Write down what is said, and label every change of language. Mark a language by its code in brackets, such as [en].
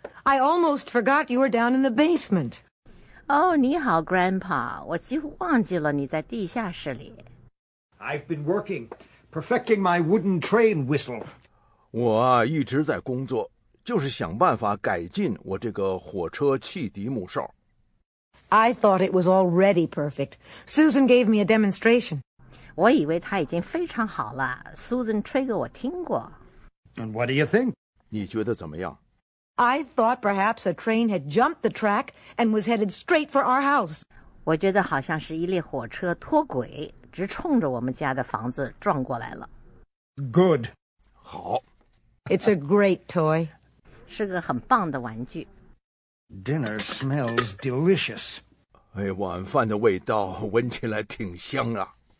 [en] I almost forgot you were down in the basement. [zh] Oh, 你好 Grandpa. 我几乎忘记了你在地下室里。 [en] I've been working, perfecting my wooden train whistle. [zh] 我啊一直在工作，就是想办法改进我这个火车汽笛木哨。 [en] I thought it was already perfect. Susan gave me a demonstration. [zh] 我以为他已经非常好了。 Susan 吹给我听过。 [en] And what do you think? [zh] 你觉得怎么样？ [en] I thought perhaps a train had jumped the track and was headed straight for our house. [zh] 我觉得好像是一列火车脱轨，直冲着我们家的房子撞过来了。 [en] Good. [zh] 好。 [en] It's a great toy. [zh] 是个很棒的玩具。 [en] Dinner smells delicious. [zh] 哎，晚饭的味道闻起来挺香啊。